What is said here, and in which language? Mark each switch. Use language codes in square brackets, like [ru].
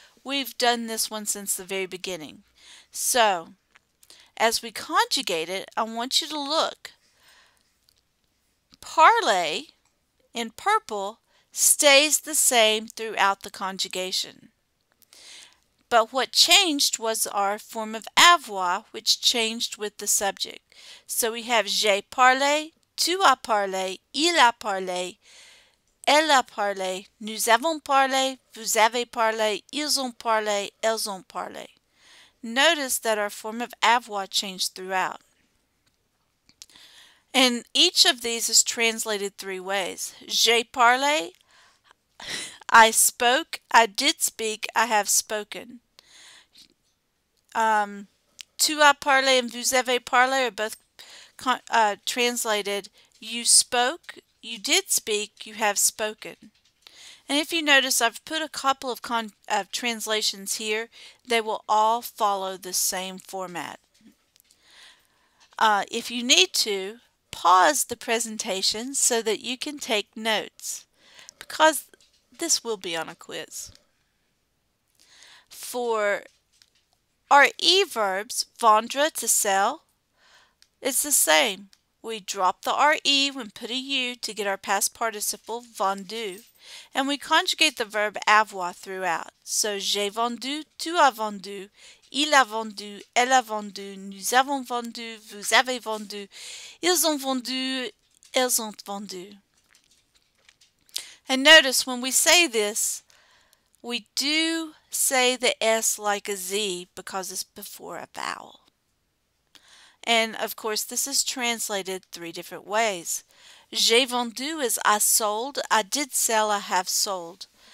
[en] We've done this one since the very beginning. So as we conjugate it, I want you to look. Parler, in purple, stays the same throughout the conjugation. But what changed was our form of avoir, which changed with the subject. So we have [fr] j'ai parlé, tu as parlé, il a parlé, elle a parlé, nous avons parlé, vous avez parlé, ils ont parlé, elles ont parlé. [en] Notice that our form of avoir changed throughout. And each of these is translated three ways. [fr] J'ai parlé, [en] I spoke, I did speak, I have spoken. [fr] Tu as parlé [en] and [fr] vous avez parlé [en] are both translated. You spoke, you did speak, you have spoken. And if you notice, I've put a couple of translations here. They will all follow the same format. If you need to, pause the presentation so that you can take notes, because this will be on a quiz. For our E verbs, vendre, to sell, it's the same. We drop the RE when put a U to get our past participle, vendu, and we conjugate the verb avoir throughout. [fr] So, j'ai vendu, tu as vendu, il a vendu, elle a vendu, nous avons vendu, vous avez vendu, ils ont vendu, elles ont vendu. [en] And notice when we say this, we do say the S like a Z because it's before a vowel. And of course, this is translated three different ways. [fr] J'ai vendu [en] is I sold, I did sell, I have sold.